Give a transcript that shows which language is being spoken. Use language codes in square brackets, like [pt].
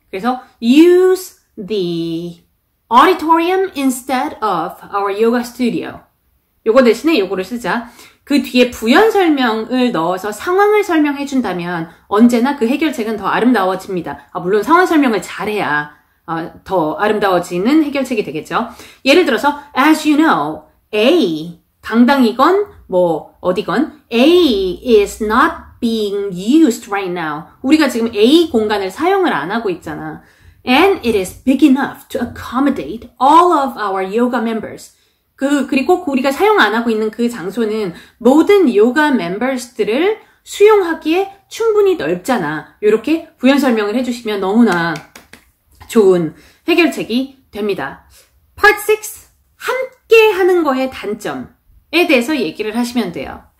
[ko] 그래서 [en] use the auditorium instead of our yoga studio. [ko] 요거 대신에 요거를 쓰자. 그 뒤에 부연 설명을 넣어서 상황을 설명해 준다면 언제나 그 해결책은 더 아름다워집니다. 아, 물론 상황 설명을 잘해야 더 아름다워지는 해결책이 되겠죠. [en] 예를 들어서 as you know, A [ko] 강당이건 뭐 어디건 [en] A is not being used right now. [ko] 우리가 지금 A 공간을 사용을 안 하고 있잖아. [en] And it is big enough to accommodate all of our yoga members. [ko] 그리고 우리가 사용 안 하고 있는 그 장소는 모든 요가 멤버스들을 수용하기에 충분히 넓잖아. 이렇게 부연 설명을 해주시면 너무나 좋은 해결책이 됩니다. Part 6, 함께 하는 거의 단점에 대해서 얘기를 하시면 돼요.